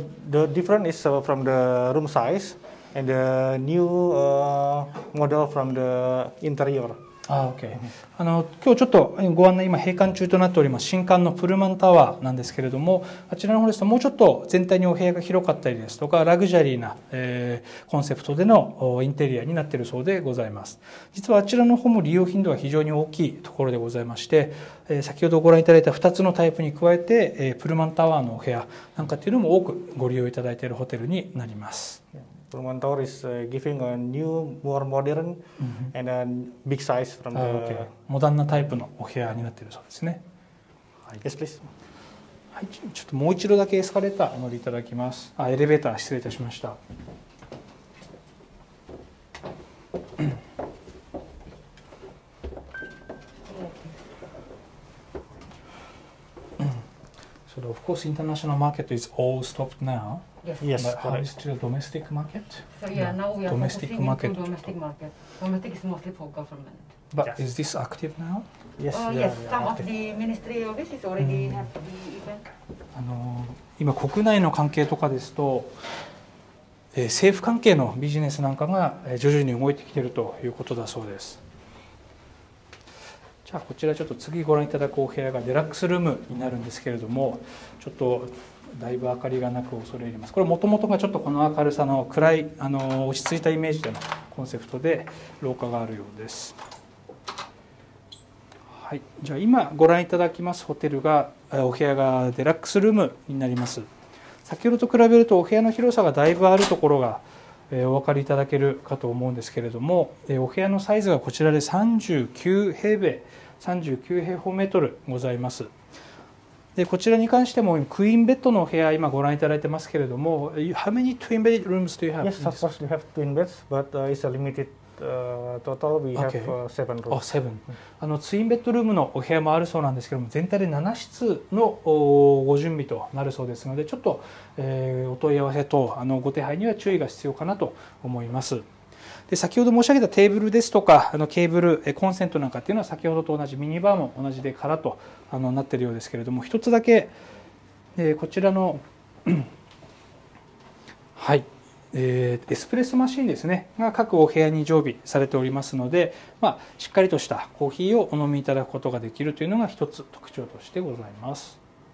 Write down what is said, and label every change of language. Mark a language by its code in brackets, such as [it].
[en] The difference is from the room size and the new model from the interior. Ah, okay. [ja] あの今日ちょっとご案内、今閉館中となっております新館のプルマンタワーなんですけれども、あちらの方ですともうちょっと全体にお部屋が広かったりですとか、ラグジュアリーな、コンセプトでのインテリアになっているそうでございます。実はあちらの方も利用頻度が非常に大きいところでございまして、先ほどご覧いただいた2つのタイプに加えて、プルマンタワーのお部屋なんかっていうのも多くご利用いただいているホテルになります。 [en] Pullman Tower is giving a new, more modern and a big size from the okay. [ja] モダンなタイプのお部屋になっているそうですね。 [en] はい、Yes, please. [ja] はい、ちょっともう一度だけエスカレーターを乗りいただきます。あ、エレベーター失礼いたしました。 [en] So, of course, international market is all stopped now. Yes, but how is it the domestic market? So, yeah, now we are domestic focusing market. Into domestic market. Domestic is mostly for government. But yes. Is this active now? Yes, some of the ministry offices already have the event. [ja] 今国内の関係とかですと、政府関係のビジネスなんかが徐々に動いてきているということだそうです。じゃあこちらちょっと次ご覧いただくお部屋がデラックスルームになるんですけれども、ちょっとだいぶ明かりがなく恐れ入ります。これもともとがちょっとこの明るさの暗い落ち着いたイメージでのコンセプトで廊下があるようです。はい、じゃあ今ご覧いただきますホテルがお部屋がデラックスルームになります。先ほどと比べるとお部屋の広さがだいぶあるところがお分かりいただけるかと思うんですけれども、お部屋のサイズがこちらで39平方メートルございます。でこちらに関してもクイーンベッドのお部屋今ご覧いただいてますけれども、 [en] How many twin bedrooms do you have? Yes, of course we have twin beds, but it's a limited total. We have seven rooms. Oh, seven. [ja] ツインベッドルームのお部屋もあるそうなんですけども、全体で7室のご準備となるそうですので、ちょっと、お問い合わせとご手配には注意が必要かなと思います。で先ほど申し上げたテーブルですとかケーブル、コンセントなんかっていうのは先ほどと同じミニバーも同じで空となっているようですけれども、一つだけ、こちらの、はい、エスプレッソマシンですねが各お部屋に常備されておりますので、まあ、しっかりとしたコーヒーをお飲みいただくことができるというのが一つ特徴としてございます。